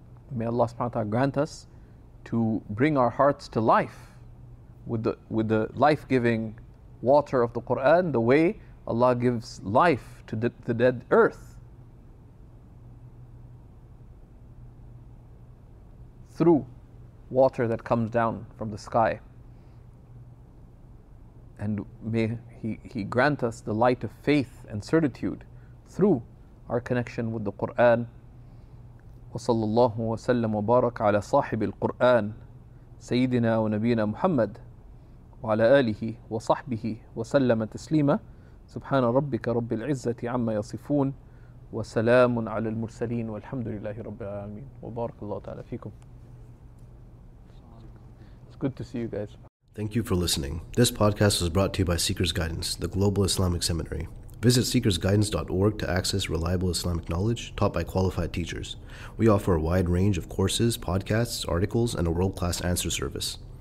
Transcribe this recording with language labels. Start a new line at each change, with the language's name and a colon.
English: May Allah subhanahu wa ta'ala grant us to bring our hearts to life with the life-giving water of the Qur'an, the way Allah gives life to the dead earth, through water that comes down from the sky. And may He grant us the light of faith and certitude through our connection with the Qur'an.
Arabic: وصلى الله وسلم وبارك على صاحب القرآن سيدنا ونبينا محمد وعلى آله وصحبه وسلم تسليما سبحان ربك رب العزة عما يصفون وسلام على المرسلين والحمد لله رب العالمين وبارك الله تعالى فيكم.
English: It's good to see you guys. Thank you for listening. This podcast was brought to you by Seekers Guidance, the global Islamic seminary. Visit seekersguidance.org to access reliable Islamic knowledge taught by qualified teachers. We offer a wide range of courses, podcasts, articles, and a world-class answer service.